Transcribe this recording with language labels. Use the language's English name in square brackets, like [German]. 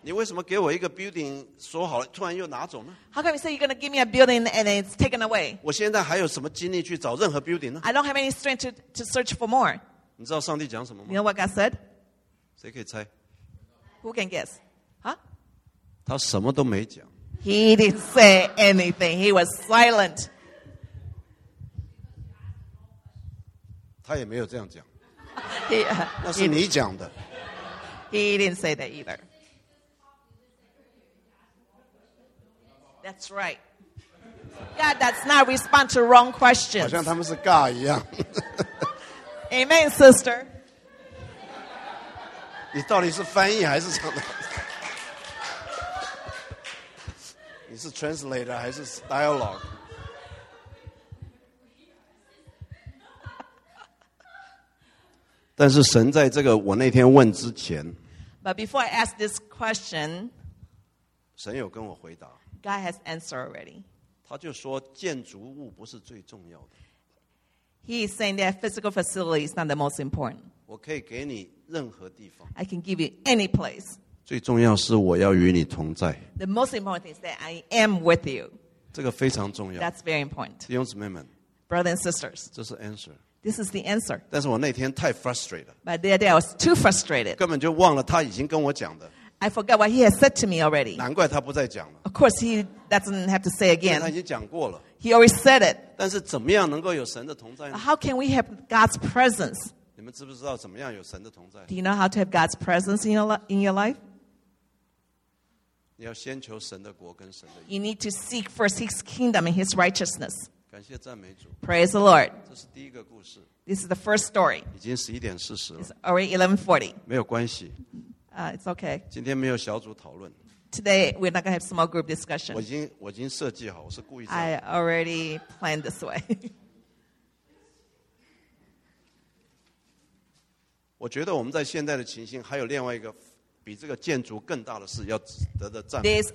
[Chinese] 你为什么给我一个building说好了, 突然又拿走呢? [English] How come you say you're going to give me a building and it's taken away? [Chinese] 我现在还有什么精力去找任何building呢? [English] I don't have any strength to search for more. [Chinese] 你知道上帝讲什么吗? [English] You know what God said? [Chinese] 谁可以猜? [English] Who can guess? Huh? [Chinese] 他什么都没讲。 [English] He didn't say anything. He was silent. [Chinese] 他也没有这样讲。那是你讲的。 [English] He didn't say that either. That's right. God does not respond to wrong questions. [Chinese] 好像他们是God一样。 [English] Amen, sister. [Chinese] 你到底是翻译还是什么的? 你是 translator 还是 dialogue? 但是神在这个我那天问之前, [English] But before I ask this question, [Chinese] 神有跟我回答, [English] God has answered already. [Chinese] 他就说建筑物不是最重要的。 [English] He is saying that physical facility is not the most important. [Chinese] 我可以给你任何地方。 [English] I can give you any place. [Chinese] 最重要是我要与你同在。 [English] The most important thing is that I am with you. [Chinese] 这个非常重要。 [English] That's very important. [Chinese] 弟兄姊妹们, [English] Brothers and sisters. [Chinese] 这是answer。 [English] This is the answer. [Chinese] 但是我那天太frustrated。 [English] But that day I was too frustrated. [Chinese] 根本就忘了他已经跟我讲的。 [English] I forgot what he had said to me already. [Chinese] 难怪他不再讲了。 [English] Of course he doesn't have to say again. [Chinese] 他已经讲过了。 [English] He already said it. [Chinese] 但是怎么样能够有神的同在呢? [English] How can we have God's presence? [Chinese] 你们知不知道怎么样有神的同在? [English] Do you know how to have God's presence in your life? [Chinese] 你要先求神的国跟神的义。 [English] You need to seek first His kingdom and His righteousness. [Chinese] 感谢赞美主。 [English] Praise the Lord. [Chinese] 这是第一个故事。 [English] This is the first story. [Chinese] 已经11点40了。 [English] It's already 11:40. [Chinese] 没有关系。 [English] It's okay. [Chinese] 今天没有小组讨论。 [English] Today, we're not going to have small group discussion. [Chinese] 我已经设计好,我是故意这样。 [English] I already planned this way. [Chinese] 我觉得我们在现代的情形还有另外一个比这个建筑更大的事要得的赞美。There's